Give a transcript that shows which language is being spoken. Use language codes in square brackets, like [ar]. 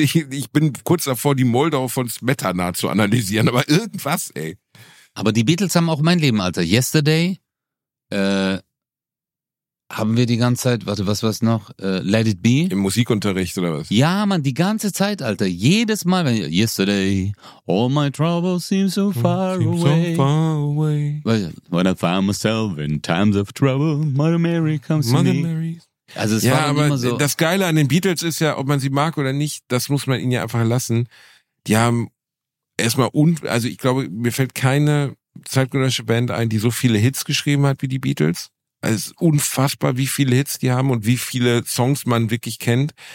[de] Ich bin kurz davor, die Moldau von Smetana zu analysieren, aber irgendwas, ey. Aber die Beatles haben auch mein Leben, Alter. Yesterday, haben wir die ganze Zeit, warte, was war's noch? [en] Let It Be? [de] Im Musikunterricht oder was? Ja, Mann, die ganze Zeit, Alter. Jedes Mal, wenn [en] yesterday, all my troubles seem so far away. When I find myself in times of trouble, Mother Mary comes to me. Mother Mary. [de] Also es ja, war aber immer so. Das Geile an den Beatles ist ja, ob man sie mag oder nicht, das muss man ihnen ja einfach lassen. Die haben erstmal, also ich glaube, mir fällt keine zeitgenössische Band ein, die so viele Hits geschrieben hat wie die Beatles. Also es ist unfassbar, wie viele Hits die haben und wie viele Songs man wirklich kennt.